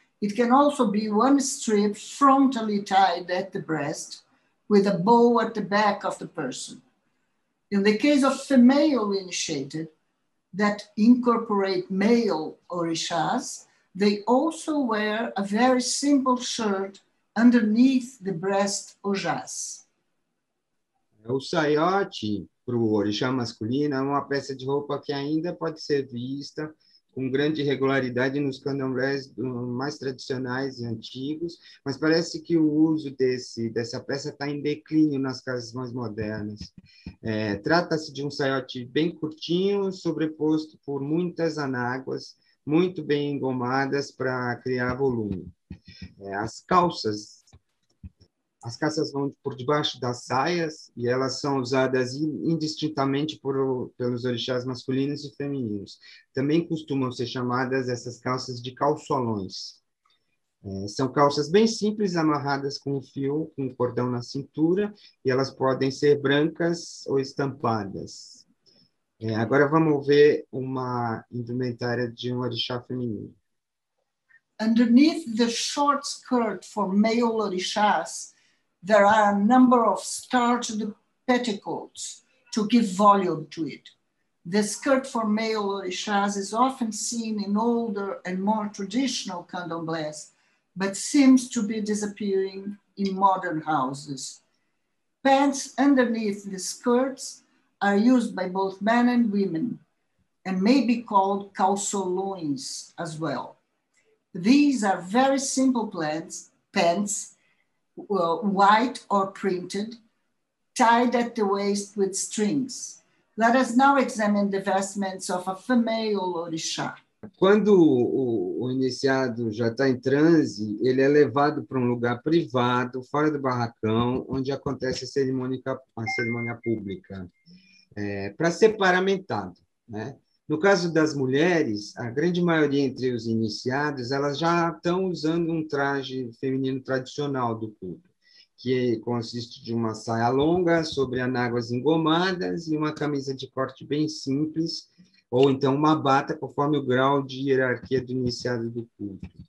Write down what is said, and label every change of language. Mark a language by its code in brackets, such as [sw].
[en] It can also be one strip frontally tied at the breast with a bow at the back of the person. In the case of female initiated that incorporate male orixás, they also wear a very simple shirt underneath the breast orixás. [pt] O saiote para o orixá masculino é uma peça de roupa que ainda pode ser vista com grande regularidade nos candomblés mais tradicionais e antigos, mas parece que o uso dessa peça está em declínio nas casas mais modernas. É, trata-se de um saiote bem curtinho, sobreposto por muitas anáguas, muito bem engomadas para criar volume. As calças vão por debaixo das saias e elas são usadas indistintamente pelos orixás masculinos e femininos. Também costumam ser chamadas essas calças de calçolões. São calças bem simples, amarradas com um fio, com um cordão na cintura, e elas podem ser brancas ou estampadas. Agora vamos ver uma indumentária de um orixá feminino. [en] Underneath the short skirt for male orixás, there are a number of starched petticoats to give volume to it. The skirt for male orixás is often seen in older and more traditional candomblés, but seems to be disappearing in modern houses. Pants underneath the skirts are used by both men and women and may be called calçolões as well. These are very simple pants, white or printed, tied at the waist with strings. Let us now examine the vestments of a female orixá. [pt] Quando o iniciado já está em transe, ele é levado para um lugar privado, fora do barracão, onde acontece a cerimônia pública, para ser paramentado, né? No caso das mulheres, a grande maioria entre os iniciados, elas já estão usando um traje feminino tradicional do culto, que consiste de uma saia longa sobre anáguas engomadas e uma camisa de corte bem simples, ou então uma bata, conforme o grau de hierarquia do iniciado do culto.